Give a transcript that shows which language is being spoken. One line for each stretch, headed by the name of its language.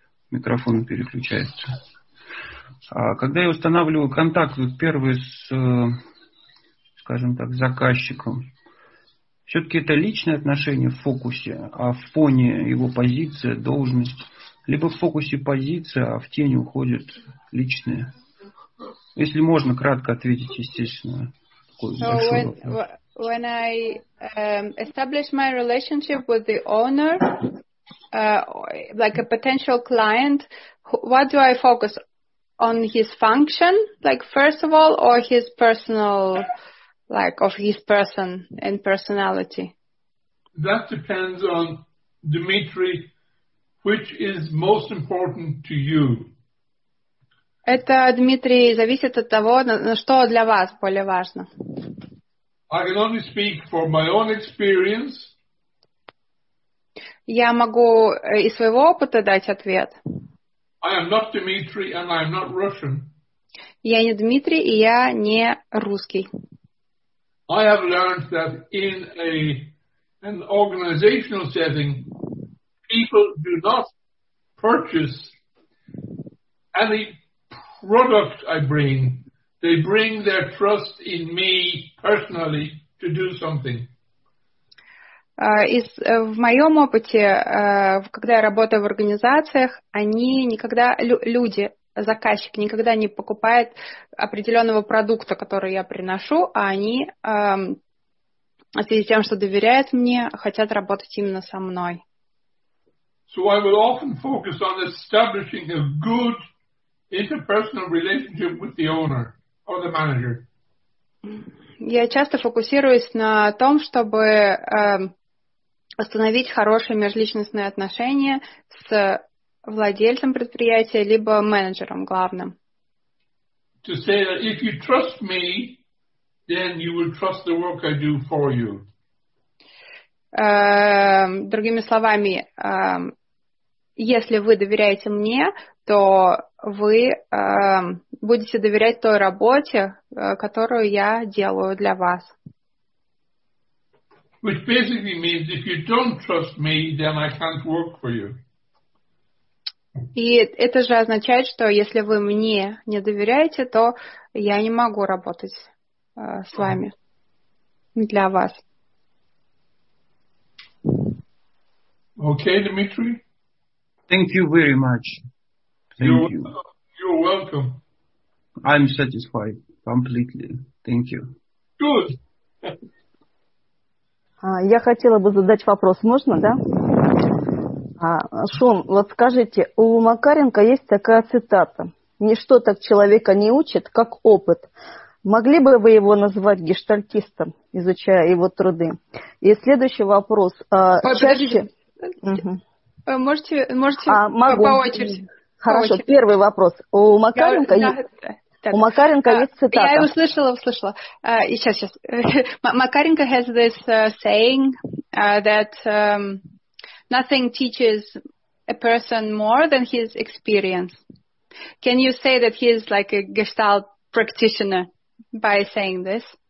Russian: Микрофон переключается. А когда я устанавливаю контакт, первый с, скажем так, заказчиком, все-таки это личное отношение в фокусе, а в фоне его позиция, должность, либо в фокусе позиция, а в тень уходит личное. Если можно, кратко ответить, естественно. Такой большой вопрос.
English: When I establish my relationship with the owner, like a potential client, what do I focus on, his function, like first of all, or his personal, like of his person and personality? That depends on Dmitry, which is most important to you.
Russian: Это, Дмитрий, зависит от того, на что для вас более важно.
English: I can only speak for my own experience.
Russian: Я могу из своего опыта дать ответ.
English: I am not Dmitry and I am not Russian.
Russian: Я не Дмитрий, и я не русский.
English: I have learned that in an organizational setting, people do not purchase any product I bring. They bring their trust in me personally to do something.
Russian: В моем опыте, когда я работаю в организациях, они никогда, люди, заказчик никогда не покупает определенного продукта, который я приношу, а они в связи с тем, что доверяют мне, хотят работать именно со мной.
English: So I will often focus on establishing a good interpersonal relationship with the owner or the manager.
Russian: Я часто фокусируюсь на том, чтобы установить хорошие межличностные отношения с владельцем предприятия либо менеджером главным.
English: To say that if you trust me, then you will trust the work I do for you.
Russian: Другими словами, если вы доверяете мне, то вы будете доверять той работе, которую я делаю для вас.
English: Which basically means if you don't trust me, then I can't work for you.
Russian: И это же означает, что если вы мне не доверяете, то я не могу работать с вами для вас.
English: Okay, Dmitry. Thank you very much. You're welcome. I'm satisfied completely. Thank you. Good.
Russian: Я хотела бы задать вопрос. Можно, да? Шон, вот скажите, у Макаренко есть такая цитата. «Ничто так человека не учит, как опыт». Могли бы вы его назвать гештальтистом, изучая его труды? И следующий вопрос. Подождите. Можете по очереди. Хорошо, первый вопрос. У Макаренко есть цитата. Я услышала. Сейчас.
English: Макаренко has this saying that nothing teaches a person more than his experience. Can you say that he is like a gestalt practitioner by saying this?